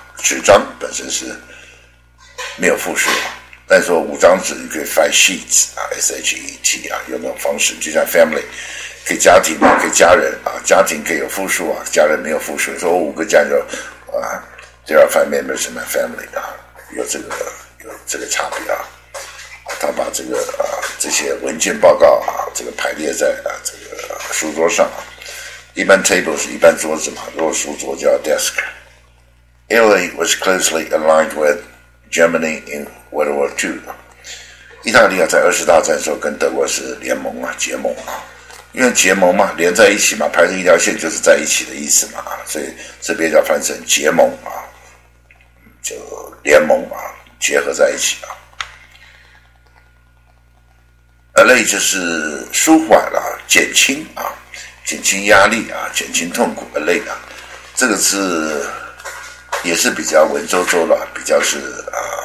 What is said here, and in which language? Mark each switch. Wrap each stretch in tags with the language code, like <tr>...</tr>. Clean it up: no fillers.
<zh>纸张本身是没有复数啊，但是说五张纸你可以 five sheets 啊 ，s h e t 啊，用那种方式，就像 family 可以家庭嘛，可以家人啊，家庭可以有复数啊，家人没有复数，说我五个家人啊 ，</zh> <en>there are five members in my family</en> <zh>啊，有这个。这个差别啊，他把这个啊这些文件报告啊，这个排列在啊这个书桌上啊，一般 table 是一般桌子嘛，如果书桌叫 desk。</zh> <en>Italy was closely aligned with Germany in World War II。</en> <zh>意大利啊，在二次大战的时候跟德国是联盟啊，结盟啊，因为结盟嘛，连在一起嘛，排成一条线就是在一起的意思嘛，所以这边叫翻成结盟啊，就联盟啊。结合在一起啊 ，Allay 就是舒缓了、啊，减轻啊，减轻压力啊，减轻痛苦 ，Allay 啊，这个字也是比较文绉绉了，比较是啊，</zh>